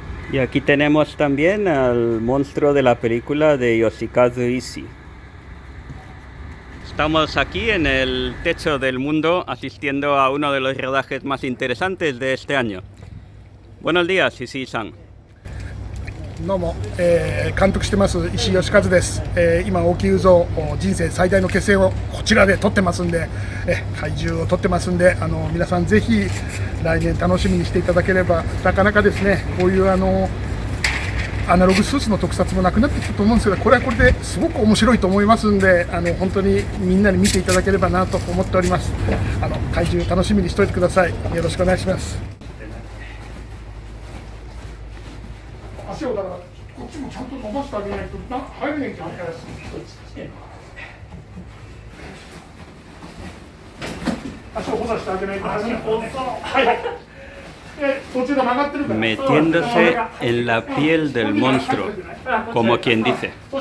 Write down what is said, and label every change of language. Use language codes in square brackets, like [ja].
[es] Y aquí tenemos también al monstruo de la película de Yoshikazu Ishii. Estamos aquí en el techo del mundo asistiendo a uno de los rodajes más interesantes de este año. Buenos días, Ishii-san. [ja] Nomo, 監督してます Ishii Yoshikazu です。今大きい宇宙を人生最大の決戦をこちらで撮ってますんで、怪獣を撮ってますんで、皆さんぜひ来年楽しみにしていただければ。なかなかですね、こういうアナログスーツの特撮もなくなってきたと思うんですけど、これはこれですごく面白いと思いますんで、本当にみんなに見ていただければなと思っております。怪獣楽しみにしておいてください。よろしくお願いします。足をだからこっちもちゃんと伸ばしてあげないと入れへんじゃないですか。足を補佐してあげないと。足補佐、はいはい。 [es] Metiéndose en la piel del monstruo, como quien dice.